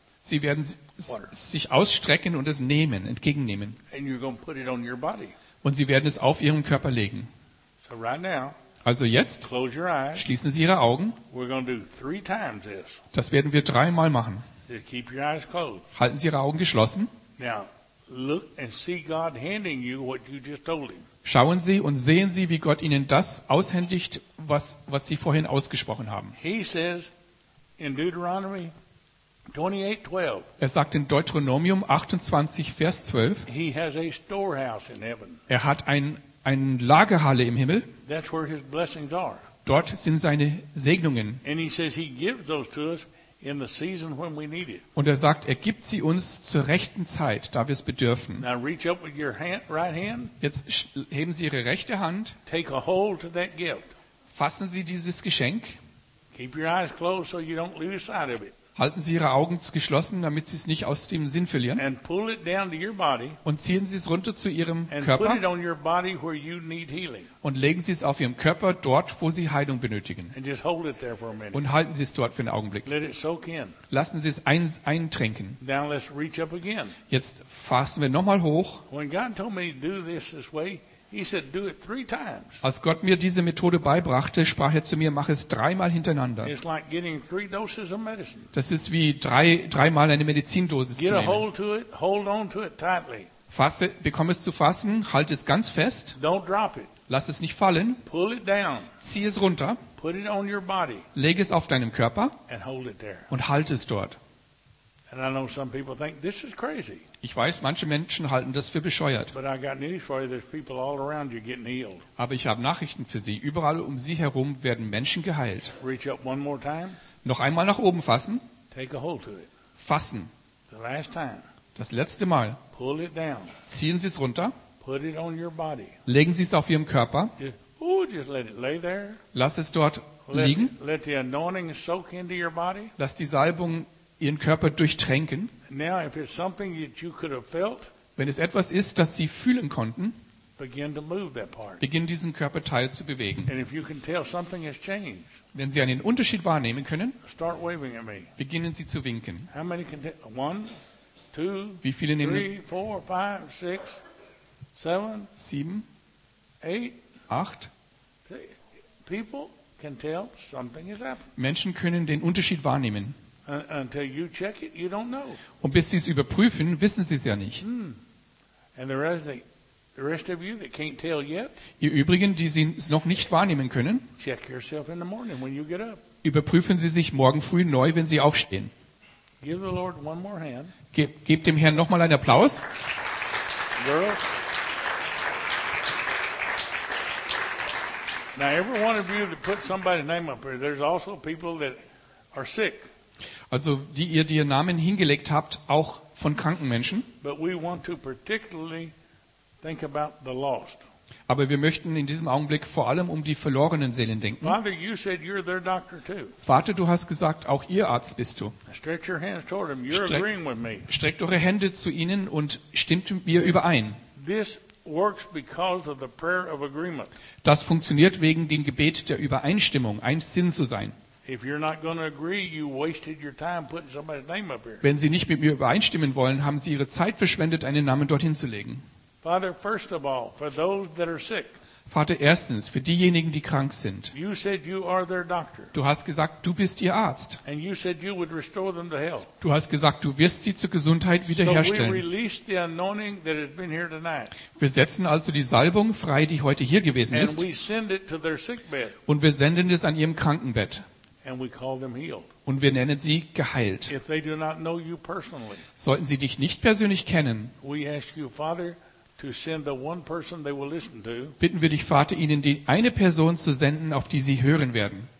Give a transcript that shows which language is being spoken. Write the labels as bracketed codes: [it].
[de] Sie werden sich ausstrecken und es nehmen, entgegennehmen. [en] And you're going to put it on your body. [de] Und Sie werden es auf Ihren Körper legen. [en] So right now, [de] also jetzt, [en] close your eyes. [de] Schließen Sie Ihre Augen. [en] We're going to do three times this. [de] Das werden wir dreimal machen. [en] Just keep your eyes closed. [de] Halten Sie Ihre Augen geschlossen. [en] Now, look and see God handing you what you just told him. [de] Schauen Sie und sehen Sie, wie Gott Ihnen das aushändigt, was Sie vorhin ausgesprochen haben. [en] He says in Deuteronomy 28:12. [de] Er sagt in Deuteronomium 28, Vers 12, [en] he has a storehouse in heaven. [de] Er hat eine Lagerhalle im Himmel. [en] That's where his blessings are. [de] Dort sind seine Segnungen. [en] And he says he gives those to us in the season when we need it. [de] Und er sagt, er gibt sie uns zur rechten Zeit, da wir es bedürfen. [en] Now reach up with your right hand. [de] Jetzt heben Sie Ihre rechte Hand. [en] Take a hold to that gift. [de] Fassen Sie dieses Geschenk. [en] Keep your eyes closed so you don't lose sight of it. [de] Halten Sie Ihre Augen geschlossen, damit Sie es nicht aus dem Sinn verlieren. [en] And pull it down to your body. [de] Und ziehen Sie es runter zu Ihrem [en] and [de] Körper. [en] Put it on your body where you need healing. [de] Und legen Sie es auf Ihrem Körper dort, wo Sie Heilung benötigen. [en] And just hold it there for a minute. [de] Und halten Sie es dort für einen Augenblick. [en] Let it soak in. [de] Lassen Sie es eintränken. [en] Now let's reach up again. [de] Jetzt fassen wir nochmal hoch. [en] When God told me to do this way, He said, do it three times. [de] Als Gott mir diese Methode beibrachte, sprach er zu mir, mach es dreimal hintereinander. [en] It's like getting three doses of medicine. [de] Das ist wie dreimal eine Medizindosis [en] Get [de] zu nehmen. [en] A hold to it, hold on to it tightly. [de] Fasse, bekomme es zu fassen, halte es ganz fest. [en] Don't drop it. [de] Lass es nicht fallen. [en] Pull it down. [de] Zieh es runter. [en] Put it on your body. [de] Lege es auf deinem Körper [en] and hold it there. [de] Und halte es dort. [en] And I know some people think this is crazy. [de] Ich weiß, manche Menschen halten das für bescheuert. [en] But I got news for you, there's people all around you getting healed. [de] Aber ich habe Nachrichten für Sie. Überall um Sie herum werden Menschen geheilt. [en] Reach up one more time. [de] Noch einmal nach oben fassen. [en] Take a hold to it. [de] Fassen. [en] The last time. [de] Das letzte Mal. [en] Pull it down. [de] Ziehen Sie es runter. [en] Put it on your body. [de] Legen Sie es auf Ihrem Körper. [en] Just let it lay there. [de] Lass es dort liegen. [en] Let the anointing soak into your body. [de] Lass die Salbung Ihren Körper durchtränken. [en] Now, if it's something that you could have felt, [de] wenn es etwas ist, das Sie fühlen konnten, [en] begin to move that part. [de] Beginn diesen Körperteil zu bewegen. [en] And if you can tell something has changed, [de] wenn Sie einen Unterschied wahrnehmen können, [en] start waving at me. [de] Beginnen Sie zu winken. [en] How many can one, two, [de] wie viele nehmen [en] three, four, five, six, seven, [de] sieben, [en] eight, [de] acht? [en] People can tell something has happened. [de] Menschen können den Unterschied wahrnehmen. [en] Until you check it, you don't know. [de] Und bis Sie es überprüfen, wissen Sie es ja nicht. [en] And the rest of you that can't tell yet, [de] ihr Übrigen, die Sie es noch nicht wahrnehmen können, [en] check yourself in the morning when you get up. [de] Überprüfen Sie sich morgen früh neu, wenn Sie aufstehen. [en] Give the Lord one more hand. [de] Gebt dem Herrn nochmal einen Applaus. [en] Girls. Now every one of you that put somebody's name up here, there's also people that are sick. [de] Also, die ihr dir Namen hingelegt habt, auch von kranken Menschen. [en] But we want to particularly think about the lost. [de] Aber wir möchten in diesem Augenblick vor allem um die verlorenen Seelen denken. [en] Father, you said you're their doctor too. [de] Vater, du hast gesagt, auch ihr Arzt bist du. [en] Stretch your hands toward him. You're agreeing with me. [de] Streckt eure Hände zu ihnen und stimmt mir überein. [en] This works because of the prayer of agreement. [de] Das funktioniert wegen dem Gebet der Übereinstimmung, ein Sinn zu sein. [en] If you're not going to agree, you wasted your time putting somebody's name up here. [de] Wenn Sie nicht mit mir übereinstimmen wollen, haben Sie Ihre Zeit verschwendet, einen Namen dorthin zu legen. [en] Father, first of all, for those that are sick. [de] Vater, erstens, für diejenigen, die krank sind. [en] You said you are their doctor. [de] Du hast gesagt, du bist ihr Arzt. [en] And you said you would restore them to health. [de] Du hast gesagt, du wirst sie zur Gesundheit wiederherstellen. [en] So we release the anointing that has been here tonight. [de] Wir setzen also die Salbung frei, die heute hier gewesen ist. [en] And we send it to their sick bed. [de] Und wir senden es an ihrem Krankenbett. [en] And we call them healed. [de] Und wir nennen sie geheilt. [en] If they do not know you personally, [de] sollten sie dich nicht persönlich kennen, [en] we ask you, Father, to send the one person they will listen to, [de] bitten wir dich, Vater, ihnen die eine Person zu senden, auf die sie hören werden,